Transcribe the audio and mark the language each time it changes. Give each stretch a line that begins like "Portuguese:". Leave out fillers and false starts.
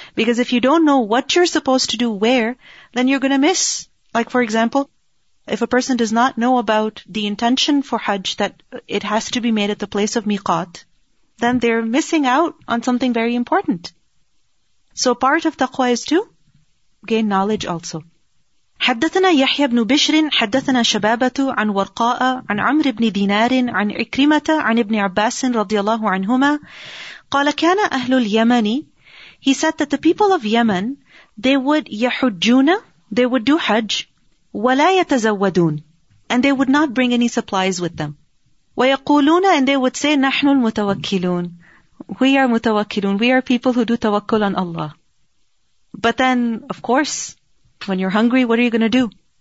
English: Because if you don't know what you're supposed to do where, then you're going to miss. Like for example, if a person does not know about the intention for Hajj, that it has to be made at the place of Miqat, then they're missing out on something very important. So part of taqwa is to gain knowledge also.
Arabic: حدثنا يحيى بن بشر حدثنا شبابة عن ورقاء عن عمرو بن دينار عن عكرمة عن ابن عباس رضي الله عنهما قال كان أهل اليمن.
English: He said that the people of Yemen, they would
Arabic: يحجون,
English: they would do Hajj,
Arabic: ولا يتزودون,
English: and they would not bring any supplies with them.
Arabic: ويقولون,
English: and they would say
Arabic: نحن المتوكلون.
English: We are mutawakkilun. We are people who do tawakkul on Allah. But then, of course, when you're hungry, what are you going to do?